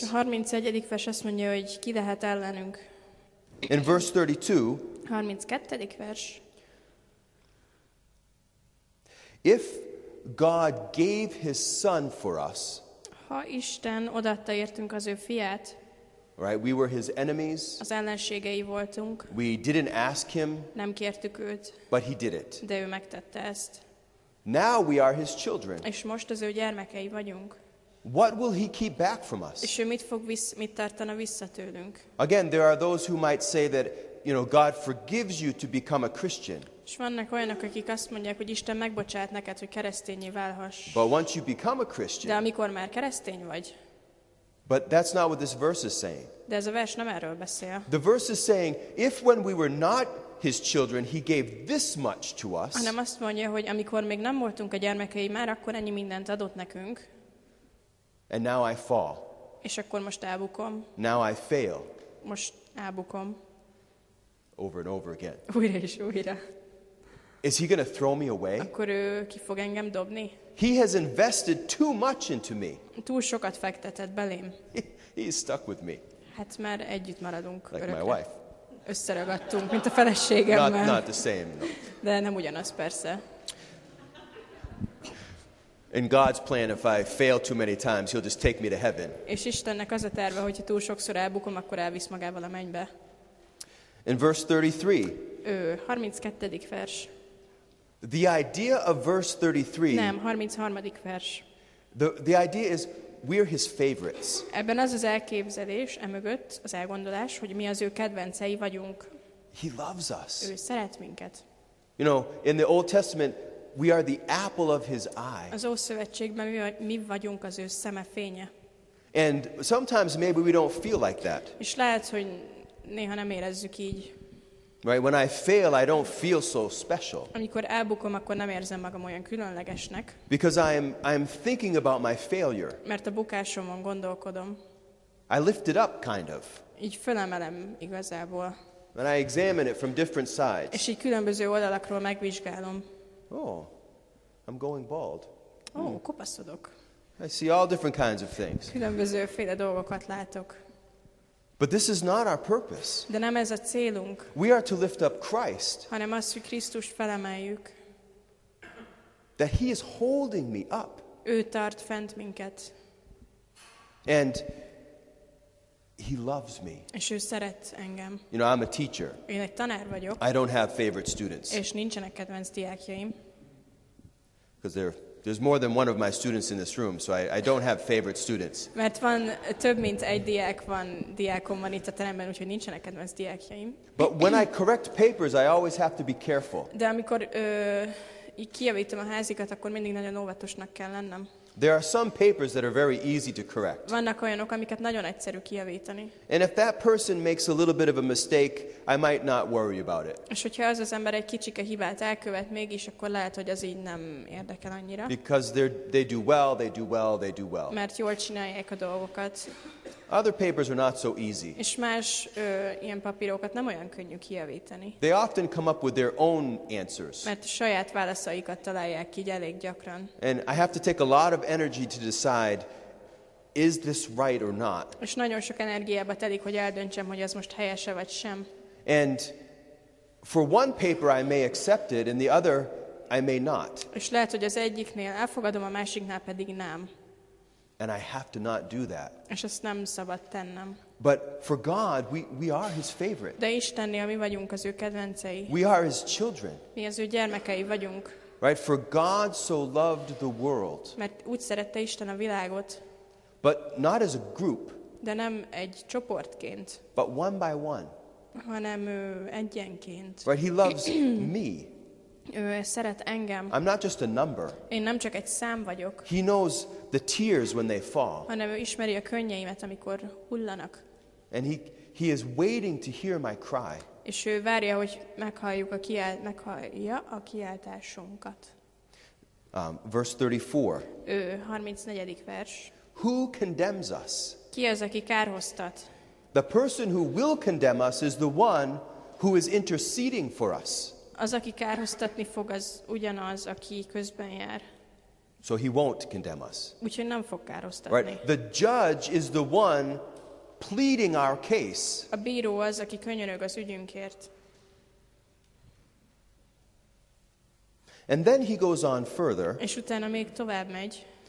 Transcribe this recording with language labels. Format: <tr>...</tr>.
<hu>És a 31. vers azt mondja, hogy ki lehet ellenünk.</hu> <en>In verse 32,</en> <hu>32. vers.</hu> <en>If God gave his son for us,</en> <hu>ha Isten odaadta értünk az ő fiát,</hu> <en>right, we were his enemies.</en> <hu>Az ellenségei voltunk.</hu> <en>We didn't ask him.</en> <hu>Nem kértük őt.</hu> <en>But he did it.</en> <hu>De ő megtette ezt.</hu> <en>Now we are his children.</en> <hu>És most az ő gyermekei vagyunk.</hu> <en>What will he keep back from us?</en> <hu>És ő mit tartana vissza tőlünk?</hu> <en>Again, there are those who might say that, you know, God forgives you to become a Christian.</en> <hu>És vannak olyanok, akik azt mondják, hogy Isten megbocsát neked, hogy keresztényé válhass.</hu> <en>But once you become a Christian.</en> <hu>De amikor már keresztény vagy.</hu> <en>But that's not what this verse is saying.</en> <hu>De ez a vers nem erről beszél.</hu> <en>The verse is saying, if when we were not his children, he gave this much to us.</en> <hu>Hanem azt mondja, hogy amikor még nem voltunk a gyermekei, már akkor ennyi mindent adott nekünk.</hu> <en>And now I fall.</en> <hu>És akkor most elbukom.</hu> <en>Now I fail.</en> <hu>Most elbukom.</hu> <en>Over and over again.</en> <hu>Újra és újra.</hu> <en>Is he going to throw me away?</en> <hu>Akkor ő ki fog engem dobni?</hu> <en>He has invested too much into me.</en> <hu>Túl sokat fektetett belém.</hu> <en>He is stuck with me.</en> <hu>Hát már együtt maradunk</hu> <en>like</en> <hu>örökre.</hu> <en>My wife.</en> <hu>Összeragadtunk, mint a feleségemmel.</hu> <en>Not the same. No.</en> <hu>De nem ugyanaz, persze.</hu> <en>In God's plan, if I fail too many times, he'll just take me to heaven.</en> <hu>És Istennek az a terve, hogyha túl sokszor elbukom, akkor elvisz magával a mennybe.</hu> <en>In verse 33.</en> <hu>Ő, 32. vers.</hu> <en>The idea of verse 33.</en> <hu>Nem, 33. vers.</hu> <en>The idea is we're his favorites.</en> <hu>Ebben az elképzelés, emögött az elgondolás, hogy mi az ő kedvencei vagyunk.</hu> <en>He loves us.</en> <hu>Ő szeret minket.</hu> <en>You know, in the Old Testament, we are the apple of his eye.</en> <hu>Az Ószövetségben mi vagyunk az ő szeme fénye.</hu> <en>And sometimes maybe we don't feel like that.</en> <hu>És lehet, hogy néha nem érezzük így.</hu> <en>Right, when I fail, I don't feel so special.</en> <hu>Amikor elbukom, akkor nem érzem magam olyan különlegesnek.</hu> <en>Because I'm thinking about my failure.</en> <hu>Mert a bukásomon gondolkodom.</hu> <en>I lift it up, kind of.</en> <hu>Így fölemelem igazából.</hu> <en>And I examine it from different sides.</en> <hu>És így különböző oldalakról megvizsgálom.</hu> <en>Oh, I'm going bald.</en> <hu>Oh, kopaszodok.</hu> <en>I see all different kinds of things.</en> <hu>Különbözőféle dolgokat látok.</hu> <en>But this is not our purpose.</en> <hu>De nem ez a célunk.</hu> <en>We are to lift up Christ.</en> <hu>Hanem azt, hogy Krisztust felemeljük.</hu> <en>That he is holding me up.</en> <hu>Ő tart fent minket.</hu> <en>And he loves me.</en> <hu>És ő szeret engem.</hu> <en>You know, I'm a teacher.</en> <hu>Én egy tanár vagyok.</hu> <en>I don't have favorite students.</en> <hu>És nincsenek kedvenc diákjaim.</hu> <en>Because there's more than one of my students in this room, so I don't have favorite students.</en> <hu>Mert van több mint egy diák van, diákom van itt a teremben, úgyhogy nincsenek kedvenc diákjaim.</hu> <en>But when I correct papers, I always have to be careful.</en> <hu>De amikor kijavítom a házikat, akkor mindig nagyon óvatosnak kell lennem.</hu> <en>There are some papers that are very easy to correct.</en> <hu>Vannak olyanok, amiket nagyon egyszerű kijavítani.</hu> <en>And if that person makes a little bit of a mistake, I might not worry about it.</en> <hu>És hogyha az ember egy kicsike hibát elkövet mégis, akkor lehet, hogy az így nem érdekel annyira.</hu> <en>Because they do well.</en> <hu>Mert jól csinálják a dolgokat.</hu> <en>Other papers are not so easy.</en> <hu>És más ilyen papírokat nem olyan könnyű kijavítani.</hu> <en>They often come up with their own answers.</en> <hu>Mert saját válaszaikat találják így elég gyakran.</hu> <en>And I have to take a lot of energy to decide, is this right or not?</en> <hu>És nagyon sok energiába telik, hogy eldöntsem, hogy az most helyese vagy sem.</hu> <en>And for one paper I may accept it, and the other I may not.</en> <hu>És lehet, hogy az egyiknél elfogadom, a másiknál pedig nem.</hu> <en>And I have to not do that.</en> <hu>És ezt nem szabad tennem.</hu> <en>But for God, we are his favorite.</en> <hu>De Istennél mi vagyunk az ő kedvencei.</hu> <en>We are his children.</en> <hu>Mi az ő gyermekei vagyunk.</hu> <en>Right? For God so loved the world.</en> <hu>Mert úgy szerette Isten a világot.</hu> <en>But not as a group.</en> <hu>De nem egy csoportként.</hu> <en>But one by one.</en> <hu>Hanem ő egyenként.</hu> <en>Right? He loves me.</en> <hu>Ő szeret engem.</hu> <en>I'm not just a number.</en> <hu>Én nem csak egy szám vagyok.</hu> <en>He knows the tears when they fall.</en> <hu>Hanem ő ismeri a könnyeimet, amikor hullanak.</hu> <en>And he is waiting to hear my cry.</en> <hu>És ő várja, hogy meghallja a kiáltásunkat.</hu> <en>Verse 34.</en> <hu>Ő 34. vers.</hu> <en>Who condemns us?</en> <hu>Ki az, aki kárhoztat?</hu> <en>The person who will condemn us is the one who is interceding for us.</en> <hu>Az, aki kárhoztatni fog, az ugyanaz, aki közben jár.</hu> <en>So he won't condemn us.</en> <hu>Úgyhogy nem fog kárhoztatni.</hu> <en>Right? The judge is the one pleading our case.</en> <hu>A bíró az, aki könyörög az ügyünkért.</hu> <en>And then he goes on further.</en> <hu>És utána még tovább megy.</hu>